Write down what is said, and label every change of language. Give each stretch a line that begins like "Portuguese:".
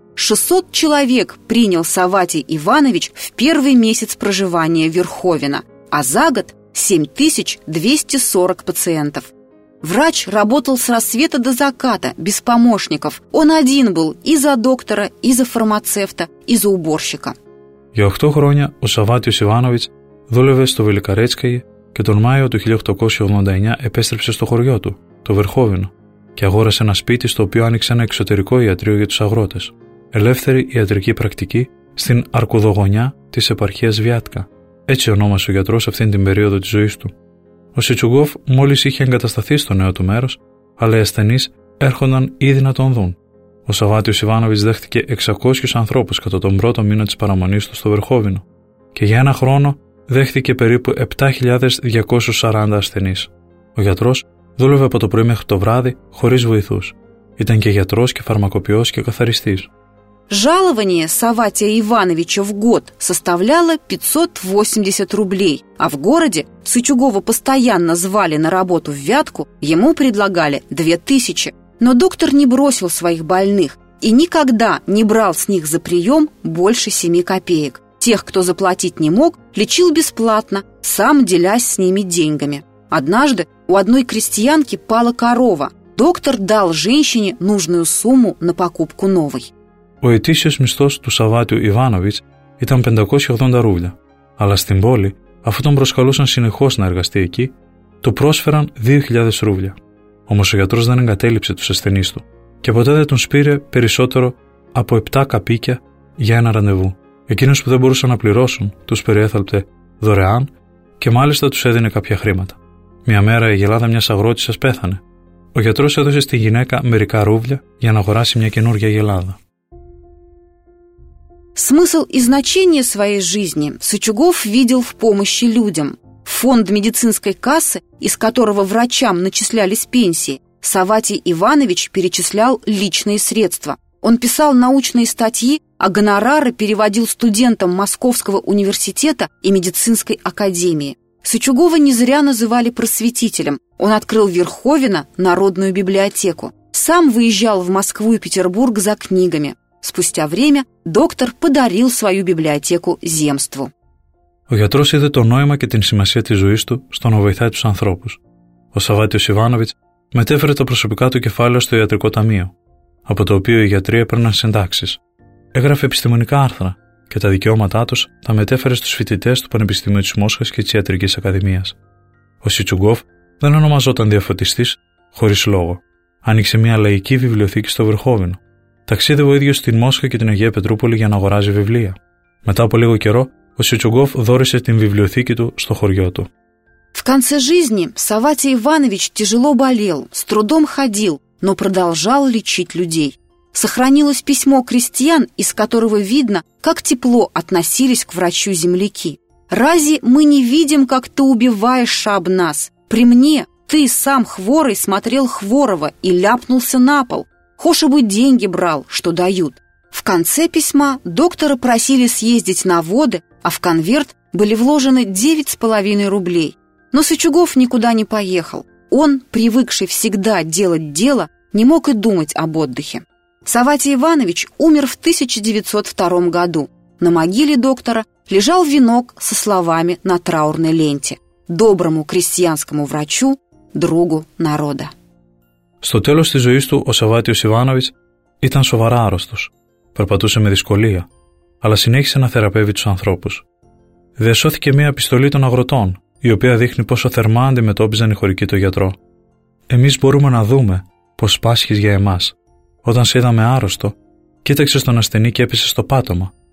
Russian: 600 человек принял Саватий Иванович в первый месяц проживания в Верховино, а за год 7240 пациентов. Врач работал с рассвета до заката, без помощников. Он один был и за доктора, и за фармацевта, и за уборщика.
Greek: Για 8 χρόνια ο Σαββάτιος Ιβάνοβιτς δούλευε στο Βελικαρέτσκαγε και τον Μάιο του 1889 επέστρεψε στο χωριό του, το Βερχόβινο, και αγόρασε ένα σπίτι στο οποίο άνοιξε ένα εξωτερικό ιατρείο για τους αγρότες. Ελεύθερη ιατρική πρακτική στην Αρκουδογωνιά της επαρχίας Βιάτκα. Έτσι ονόμασε ο γιατρός αυτήν την περίοδο της ζωής του. Ο Σιτσουγκόφ μόλις είχε εγκατασταθεί στο νέο του μέρος, αλλά οι ασθενείς έρχονταν ήδη να τον δουν. Ο Σαββάτιος Ιβάνοβιτς δέχτηκε 600 ανθρώπους κατά τον πρώτο μήνα της παραμονής του στο Βερχόβινο και για ένα χρόνο δέχτηκε περίπου 7.240 ασθενείς. Ο γιατρός δούλευε από το πρωί μέχρι το βράδυ χωρίς βοηθούς. Ήταν και γιατρός και φαρμακοποιός και καθαριστής.
Russian: Жалование Саватия Ивановича в год составляло 580 рублей, а в городе Сычугова постоянно звали на работу в Вятку, ему предлагали 2000. Но доктор не бросил своих больных и никогда не брал с них за прием больше 7 копеек. Тех, кто заплатить не мог, лечил бесплатно, сам делясь с ними деньгами. Однажды у одной крестьянки пала корова. Доктор дал женщине нужную сумму на покупку новой.
Greek: Ο ετήσιος μισθός του Σαββάτιου Ιβάνοβιτς ήταν 580 ρούβλια. Αλλά στην πόλη, αφού τον προσκαλούσαν συνεχώς να εργαστεί εκεί, του πρόσφεραν 2.000 ρούβλια. Όμως ο γιατρός δεν εγκατέλειψε τους ασθενείς του και ποτέ δεν τον σπήρε περισσότερο από 7 καπίκια για ένα ραντεβού. Εκείνους που δεν μπορούσαν να πληρώσουν, τους περιέθαλπτε δωρεάν και μάλιστα τους έδινε κάποια χρήματα. Μια μέρα η γελάδα μιας αγρότησας πέθανε. Ο γιατρός έδωσε στη γυναίκα μερικά ρούβλια για να αγοράσει μια καινούργια γελάδα.
Russian: Смысл и значение своей жизни Сычугов видел в помощи людям. Фонд медицинской кассы, из которого врачам начислялись пенсии, Саватий Иванович перечислял личные средства. Он писал научные статьи, а гонорары переводил студентам Московского университета и медицинской академии. Сычугова не зря называли просветителем. Он открыл в Верховино народную библиотеку. Сам выезжал в Москву и Петербург за книгами. Спустя время доктор подарил свою библиотеку земству.
Greek: Ο γιατρός είδε το νόημα και την σημασία της ζωής του στο να βοηθάει τους ανθρώπους. Ο Σαββάτιος Ιβάνοβιτς μετέφερε τα προσωπικά του κεφάλαια στο ιατρικό ταμείο, από το οποίο οι γιατροί έπαιρναν συντάξεις. Έγραφε επιστημονικά άρθρα και τα δικαιώματά τους τα μετέφερε στους φοιτητές του Πανεπιστημίου της Μόσχας και της Ιατρικής Ακαδημίας. Ο Σιτσουγκόφ δεν ονομαζόταν διαφωτιστής χωρίς λόγο. Άνοιξε μια λαϊκή βιβλιοθήκη στο Βερχόβινο. Ταξίδευε ο ίδιος στην Μόσχα και την Αγία Πετρούπολη για να αγοράζει βιβλία. Μετά από λίγο καιρό, ο Σιτσουγκόφ δόρισε την βιβλιοθήκη του στο χωριό του.
Russian: В конце жизни Саватий Иванович тяжело болел, с трудом ходил, но продолжал лечить людей. Сохранилось письмо крестьян, из которого видно, как тепло относились к врачу земляки. «Рази мы не видим, как ты убиваешь об нас. При мне ты сам хворый смотрел хворого и ляпнулся на пол. Хоши бы деньги брал, что дают». В конце письма доктора просили съездить на воды, а в конверт были вложены 9,5 рублей. Но Сычугов никуда не поехал. Он, привыкший всегда делать дело, не мог и думать об отдыхе. Саватий Иванович умер в 1902 году. На могиле доктора лежал венок со словами на траурной ленте: «Доброму крестьянскому врачу, другу народа».
Greek: Στο τέλος της ζωής του, ο Σαββάτιος Ιβάνοβιτς ήταν σοβαρά άρρωστος. Περπατούσε με δυσκολία, αλλά συνέχισε να θεραπεύει τους ανθρώπους. διασώθηκε μια επιστολή των αγροτών, η οποία δείχνει πόσο θερμά αντιμετώπιζαν οι χωρικοί το γιατρό. Εμείς μπορούμε να δούμε πως πάσχεις για εμάς. Όταν σε είδαμε άρρωστο, κοίταξες τον ασθενή και έπεσες στο πάτωμα.